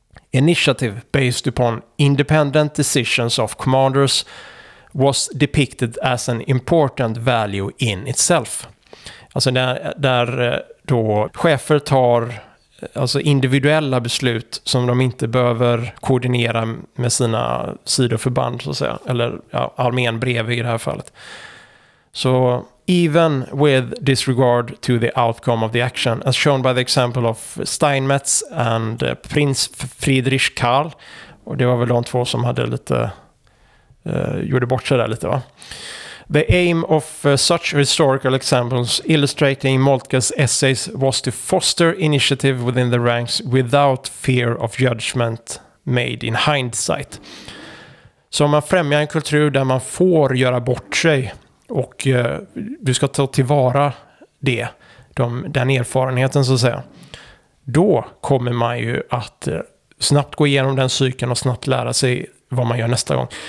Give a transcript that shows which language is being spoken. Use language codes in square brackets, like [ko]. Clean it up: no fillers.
[en] Initiative based upon independent decisions of commanders was depicted as an important value in itself. [sv] Alltså där då chefer tar alltså individuella beslut som de inte behöver koordinera med sina sidoförband så att säga, eller ja, armén bredvid i det här fallet. [en] Så even with disregard to the outcome of the action, as shown by the example of Steinmetz and Prince Friedrich Karl, [sv] och det var väl de två som hade lite gjorde bort sig där lite, va? [en] The aim of such historical examples illustrating Moltke's essays was to foster initiative within the ranks without fear of judgment made in hindsight. [sv] Så om man främjar en kultur där man får göra bort sig och du ska ta tillvara det, den erfarenheten så att säga, då kommer man ju att snabbt gå igenom den cykeln och snabbt lära sig vad man gör nästa gång.